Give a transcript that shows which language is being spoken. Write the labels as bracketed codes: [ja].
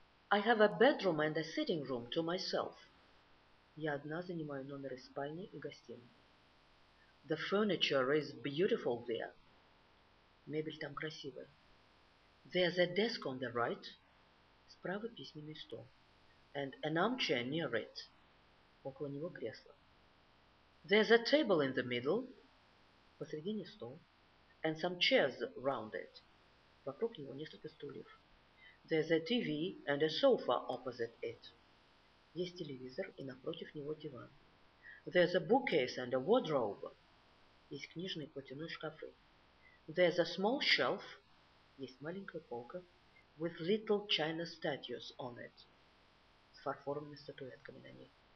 [en] I have a bedroom and a sitting room to myself. [ru] Я одна занимаю номер из спальни и гостиной. [en] The furniture is beautiful there. [ru] Мебель там красивая. [en] There's a desk on the right. [ru] Справа письменный стол. [en] And an armchair near it. [ru] Около него кресло. [en] There's a table in the middle. [ru] Посредине стол. [en] And some chairs round it. [ru] Вокруг него несколько стульев. [en] There's a TV and a sofa opposite it. [ru] Есть телевизор и напротив него диван. [en] There's a bookcase and a wardrobe. [ru] Есть книжный платяной шкаф. [en] There's a small shelf. [ru] Есть маленькая полка. [en] With little china statues on it. [ru] С фарфоровыми статуэтками на ней.